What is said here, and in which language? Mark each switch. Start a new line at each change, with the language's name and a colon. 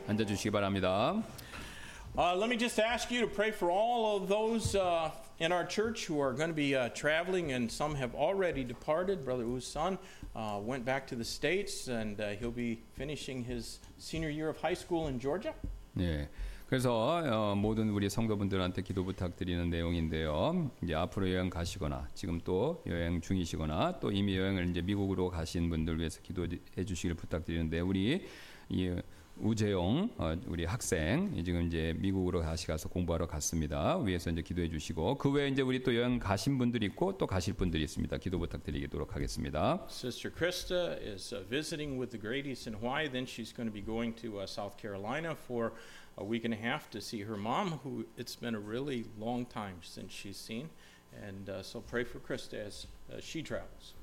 Korean: 앉아주시기 바랍니다.
English: Let me just ask you to pray for all of those in our church who are going to be traveling, and some have already departed. Brother Wu's son went back to the States, and he'll be finishing his senior year of high school in Georgia.
Korean: 네, 그래서 모든 우리 성도분들한테 기도 부탁드리는 내용인데요. 이제 앞으로 여행 가시거나 지금 또 여행 중이시거나 또 이미 여행을 이제 미국으로 가신 분들 위해서 기도해 주시길 부탁드리는데, 우리 이 우재용 우리 학생 지금 이제 미국으로 다시 가서 공부하러 갔습니다. 위에서 이제 기도해 주시고, 그 외에 이제 우리 또 여행 가신 분들이 있고 또 가실 분들이 있습니다. 기도 부탁드리도록 하겠습니다.
English: Sister Krista is visiting with the Grady's in Hawaii. Then she's going to be going to South Carolina for a week and a half to see her mom, who it's been a really long time since she's seen. And so pray for Krista as she travels.